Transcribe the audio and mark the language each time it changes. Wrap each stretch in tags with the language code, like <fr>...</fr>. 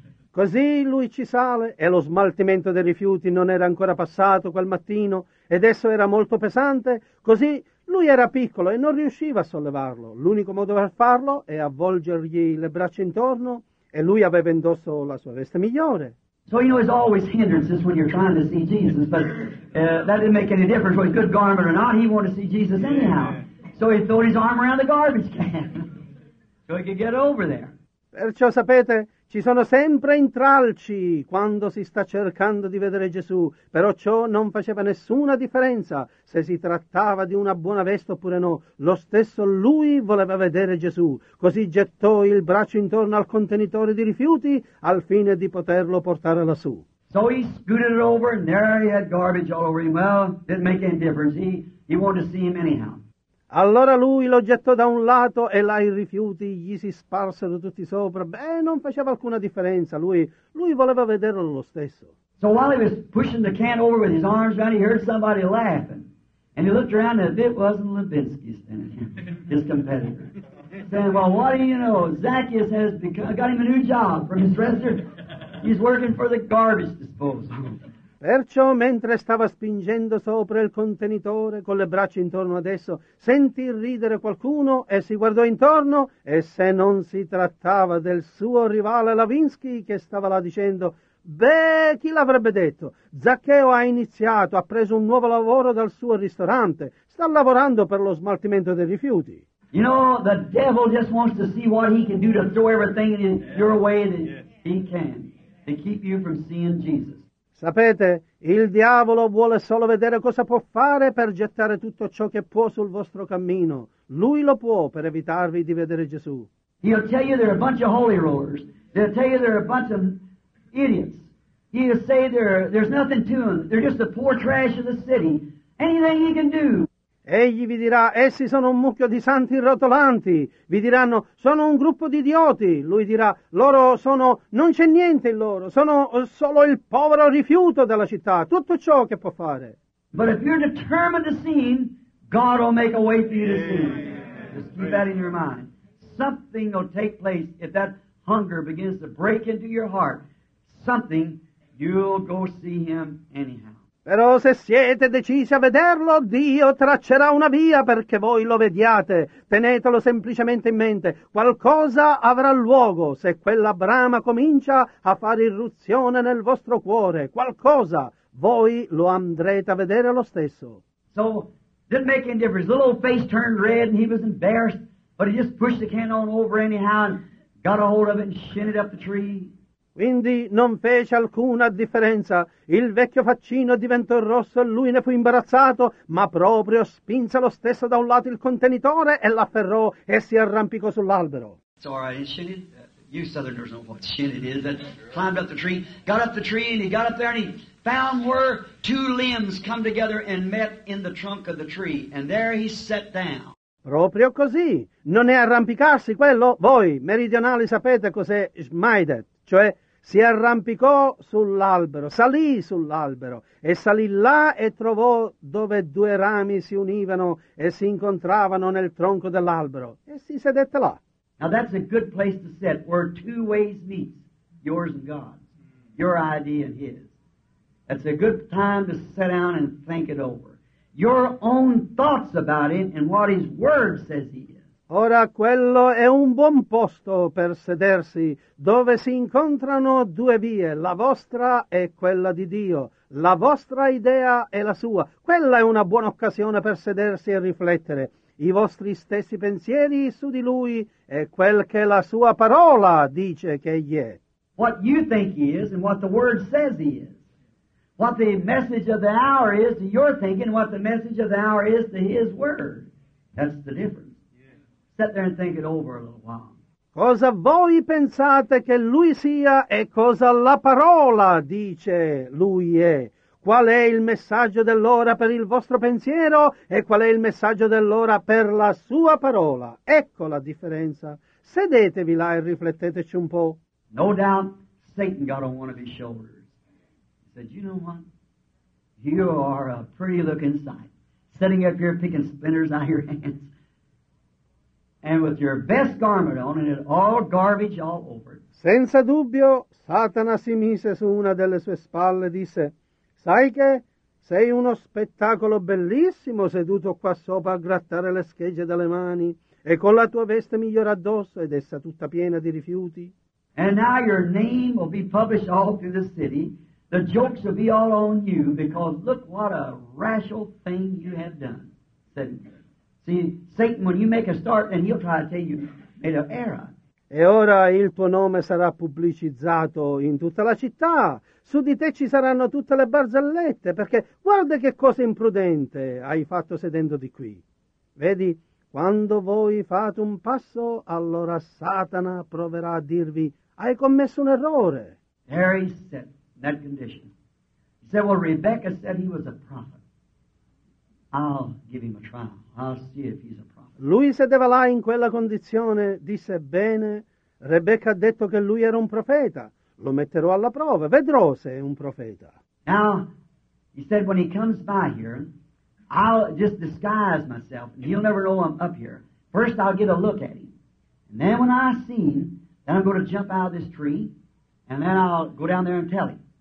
<it>Così lui ci sale e lo smaltimento dei rifiuti non era ancora passato quel mattino ed esso era molto pesante. Così lui era piccolo e non riusciva a sollevarlo. L'unico modo per farlo è avvolgergli le braccia intorno e lui aveva indosso la sua veste migliore.</it> <en>So you know there's always hindrances when you're trying to see Jesus, but that didn't make any difference whether good garment or not. He wanted to see Jesus anyhow. So he threw his arm around the garbage can so he could get over there.</en> <it>Perciò sapete, ci sono sempre intralci quando si sta cercando di vedere Gesù, però ciò non faceva nessuna differenza se si trattava di una buona veste oppure no. Lo stesso lui voleva vedere Gesù, così gettò il braccio intorno al contenitore di rifiuti al fine di poterlo portare lassù.</it> <en>So he scooted it over and there he had garbage all over him. Well, didn't make any difference. He wanted to see him anyhow.</en> <it>Allora lui lo gettò da un lato e là i rifiuti gli si sparsero tutti sopra. Beh, non faceva alcuna differenza. Lui voleva vederlo lo stesso.</it> <en>So while he was pushing the can over with his arms around, he heard somebody laughing. And he looked around and it wasn't Levinsky standing there, his competitor. He said, well, what do you know? Zacchaeus has got him a new job from his restaurant. He's working for the garbage disposal.</en> <it>Perciò, mentre stava spingendo sopra il contenitore con le braccia intorno ad esso, sentì ridere qualcuno e si guardò intorno. E se non si trattava del suo rivale Levinsky che stava là dicendo, beh, chi l'avrebbe detto? Zaccheo ha iniziato, ha preso un nuovo lavoro dal suo ristorante, sta lavorando per lo smaltimento dei rifiuti.</it> <en>You know, the devil just wants to see what he can do to throw everything in your way that he can to keep you from seeing Jesus.</en> <it>Sapete, il diavolo vuole solo vedere cosa può fare per gettare tutto ciò che può sul vostro cammino. Lui lo può per evitarvi di vedere Gesù.</it> <en>He'll tell you they're a bunch of holy rollers. They'll tell you they're a bunch of idiots. He'll say there's nothing to them. They're just the poor trash of the city. Anything he can do.</en> <it>Egli vi dirà, essi sono un mucchio di santi rotolanti. Vi diranno, sono un gruppo di idioti. Lui dirà, loro sono, non c'è niente in loro. Sono solo il povero rifiuto della città. Tutto ciò che può fare.</it> <en>But if you're determined to see him, God will make a way for you to see him. Just keep that in your mind. Something will take place if that hunger begins to break into your heart. Something, you'll go see him anyhow.</en> <it>Però se siete decisi a vederlo, Dio traccerà una via perché voi lo vediate. Tenetelo semplicemente in mente. Qualcosa avrà luogo se quella brama comincia a fare irruzione nel vostro cuore. Qualcosa. Voi lo andrete a vedere lo stesso.</it> <en>So, didn't make any difference. The little face turned red and he was embarrassed, but he just pushed the can on over anyhow and got a hold of it and shinned it up the tree.</en> <it>Quindi non fece alcuna differenza. Il vecchio faccino diventò rosso e lui ne fu imbarazzato, ma proprio spinse lo stesso da un lato il contenitore e l'afferrò e si arrampicò sull'albero.</it> <en>It's all right, shin it. You southerners know what shin it is. But climbed up the tree, got up the tree, and he got up there and he found where two limbs come together and met in the trunk of the tree, and there he sat down.</en> <it>Proprio così. Non è arrampicarsi quello? Voi, meridionali, sapete cos'è smaidet. Cioè, si arrampicò sull'albero, salì sull'albero, e salì là e trovò dove due rami si univano e si incontravano nel tronco dell'albero, e si sedette là.</it> <en>Now that's a good place to sit, where two ways meet, yours and God's, your idea and his. That's a good time to sit down and think it over. Your own thoughts about him and what his word says he is.</en> <it>Ora quello è un buon posto per sedersi, dove si incontrano due vie, la vostra e quella di Dio, la vostra idea e la sua. Quella è una buona occasione per sedersi e riflettere i vostri stessi pensieri su di lui e quel che la sua parola dice che egli è.</it> <en>What you think he is and what the word says he is. What the message of the hour is to your thinking and what the message of the hour is to his word. That's the difference. Sit there and think it over a little while.</en> <it>Cosa voi pensate che lui sia e cosa la parola dice lui è? Qual è il messaggio dell'ora per il vostro pensiero e qual è il messaggio dell'ora per la sua parola? Ecco la differenza. Sedetevi là e rifletteteci un po'.</it> <en>No doubt Satan got on one of his shoulders. He said, you know what? You are a pretty looking sight. Sitting up here picking splinters out of your hands. And with your best garment on and it all garbage all over.</en> <it>Senza dubbio, Satana si mise su una delle sue spalle e disse, sai che sei uno spettacolo bellissimo seduto qua sopra a grattare le schegge dalle mani e con la tua veste migliore addosso ed essa tutta piena di rifiuti.</it> <en>And now your name will be published all through the city. The jokes will be all on you because look what a racial thing you have done. Said see, Satan, when you make a start, then he'll try to tell you made an error.</en> <it>E ora il tuo nome sarà pubblicizzato in tutta la città. Su di te ci saranno tutte le barzellette, perché guarda che cosa imprudente hai fatto sedendoti qui. Vedi, quando voi fate un passo, allora Satana proverà a dirvi, hai commesso un errore.</it> <en>There he said, in that condition. He said, well, Rebecca said he was a prophet. I'll give him a trial. I'll see if he's a prophet.</en> <it>Lui sedeva là in quella condizione, disse, bene, Rebecca ha detto che lui era un profeta. Lo metterò alla prova, vedrò se è un profeta.</it> <en>Now, he said, when he comes by here, I'll just disguise myself. He'll never know I'm up here. First, I'll get a look at him. And then when I see him, then I'm going to jump out of this tree, and then I'll go down there and tell him.</en>